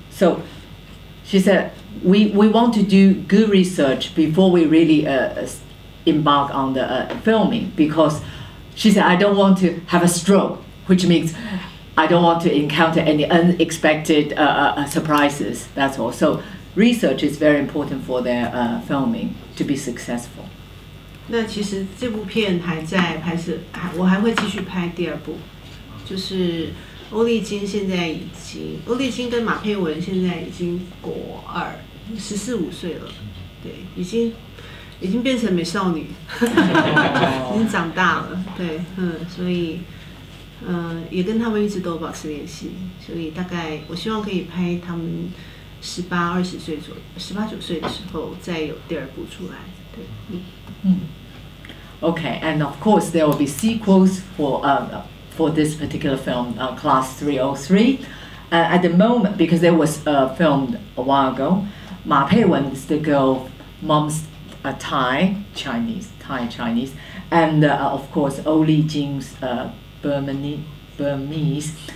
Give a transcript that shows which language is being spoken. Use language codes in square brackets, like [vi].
[en] So,She said, we want to do good research before we really embark on the filming because she said, I don't want to have a stroke, which means I don't want to encounter any unexpected surprises, that's all. So research is very important for their filming to be successful. [zh] 那其实这部片还在拍摄，我还会继续拍第二部，就是欧丽金现在已经，欧丽金跟马佩文现在已经国二，14-15岁了，对，已经变成美少女，已经长大了，对，嗯，所以，也跟他们一直都保持联系，所以大概我希望可以拍他们18-20岁左右，18-19岁的时候再有第二部出来，对， [en] 嗯 ，OK， and of course there will be sequels for this particular film, Class 303. At the moment, because it was filmed a while ago, Ma Peiwen is the girl, mom's Thai Chinese, and of course, Oh Li Jing's Burmese.